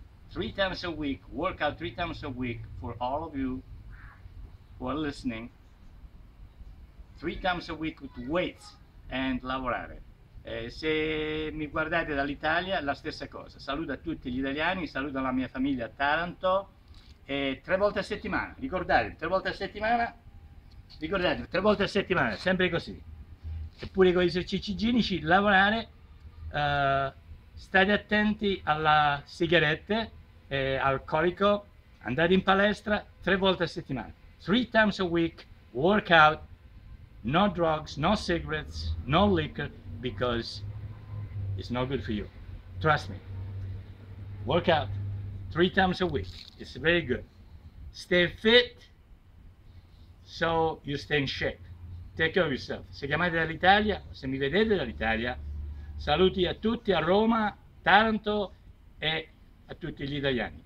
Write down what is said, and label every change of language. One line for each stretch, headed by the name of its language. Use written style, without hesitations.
English: 3 times a week, workout 3 times a week for all of you who are listening. 3 times a week with weights and
Italian: lavorare. Se mi guardate dall'Italia, la stessa cosa. Saluto a tutti gli italiani, saluto la mia famiglia a Taranto. 3 volte a settimana, ricordate, 3 volte a settimana, ricordate, 3 volte a settimana, sempre così. Eppure con gli esercizi ginnici, lavorare, state attenti alla sigarette. Alcolico, andate in palestra 3 volte a settimana.
English: 3 times a week, workout, no drugs, no cigarettes, no liquor, because it's not good for you. Trust me. Workout 3 times a week, it's very good. Stay fit so you stay in shape. Take care of yourself.
Italian: Se chiamate dall'Italia, se mi vedete dall'Italia, saluti a tutti a Roma, Taranto e a tutti gli italiani.